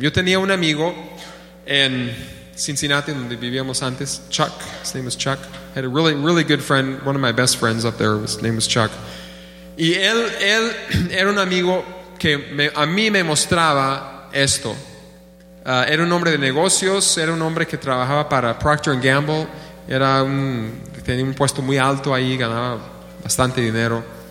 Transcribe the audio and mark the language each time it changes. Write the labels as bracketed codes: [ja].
[es] Yo tenía un amigo en Cincinnati, donde vivíamos antes, Chuck. [en] His name was Chuck. I had a really, really good friend, one of my best friends up there. His name was Chuck. [es] Y él era un amigo que a mí me mostraba esto. Era un hombre de negocios, era un hombre que trabajaba para Procter & Gamble. Tenía un puesto muy alto ahí, ganaba bastante dinero.